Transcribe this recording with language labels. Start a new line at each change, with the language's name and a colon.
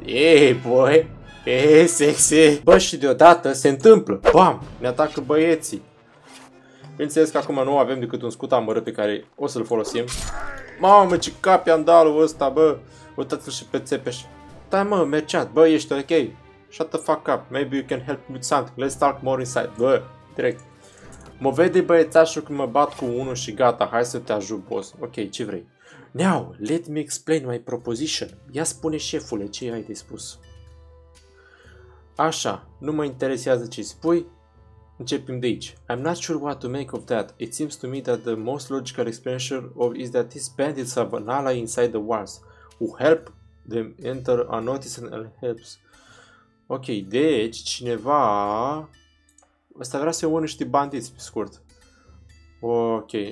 Romanian: Ei, boy, ei, sexy. Bă, și deodată se întâmplă. Bam, ne atacă băieții. Bineînțeles că acum nu avem decât un scut amărât pe care o să-l folosim. Mamă, ce cap i-am dat lui ăsta, bă. Uitați-l și pe țepeș. Stai mă, merchant, bă, ești ok?
English: Shut the fuck up, maybe you can help me with something, let's talk more inside,
Romanian: bă, direct. Mă vede băiețașul când mă bat cu unul și gata, hai să te ajut, boss. Ok, ce vrei?
English: Now, let me explain my proposition.
Romanian: Ia spune șefule ce ai de spus. Așa, nu mă interesează ce spui, începem de aici.
English: I'm not sure what to make of that. It seems to me that the most logical explanation of is that these bandits have an ally inside the walls who help them enter unnoticed and helps.
Romanian: Ok, deci cineva ăsta vrea să iau niște bandiți, pe scurt. Ok.